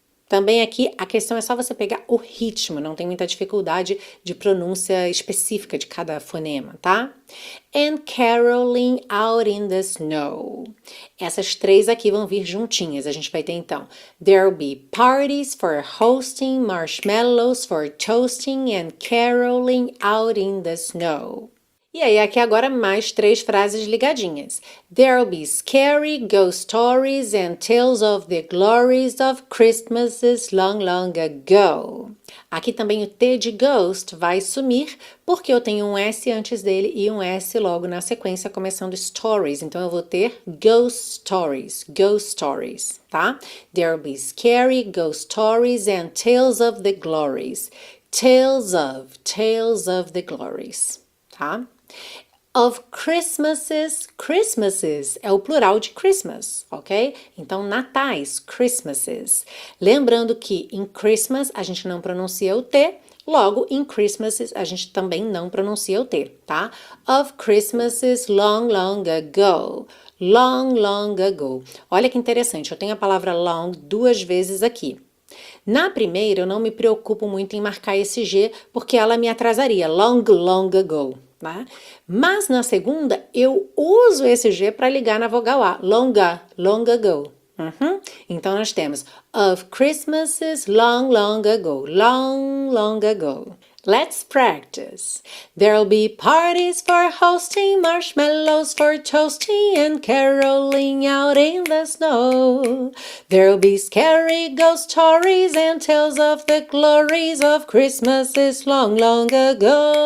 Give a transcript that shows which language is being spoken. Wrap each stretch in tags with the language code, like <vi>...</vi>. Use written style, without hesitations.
<pt>Também aqui, a questão é só você pegar o ritmo, não tem muita dificuldade de pronúncia específica de cada fonema, tá?</pt> <en>And caroling out in the snow.</en> <pt>Essas três aqui vão vir juntinhas, a gente vai ter então.</pt> <en>There'll be parties for hosting, marshmallows for toasting, and caroling out in the snow.</en> <pt>E aí, aqui agora mais três frases ligadinhas.</pt> <en>There'll be scary ghost stories and tales of the glories of Christmases long, long ago.</en> <pt>Aqui também o T de ghost vai sumir, porque eu tenho um S antes dele e um S logo na sequência, começando stories. Então, eu vou ter</pt> <en>ghost stories,</en> <pt>tá?</pt> <en>There'll be scary ghost stories and tales of the glories. Tales of the glories, tá? Of Christmases,</en> <pt>Christmases é o plural de Christmas, ok? Então, natais, Christmases. Lembrando que em Christmas a gente não pronuncia o T, Logo, em Christmases, a gente também não pronuncia o T, tá?</pt> <en>Of Christmases long, long ago. Long, long ago.</en> <pt>Olha que interessante, eu tenho a palavra long duas vezes aqui. Na primeira, eu não me preocupo muito em marcar esse G, porque ela me atrasaria.</pt> <en>Long, long ago,</en> <pt>né? Mas na segunda, eu uso esse G para ligar na vogal A.</pt> <en>Longa, long ago.</en> <pt>Então nós temos</pt> <en>Of Christmases long, long ago. Long, long ago. Let's practice. There'll be parties for hosting, marshmallows for toasting, and caroling out in the snow. There'll be scary ghost stories and tales of the glories of Christmases long, long ago.</en>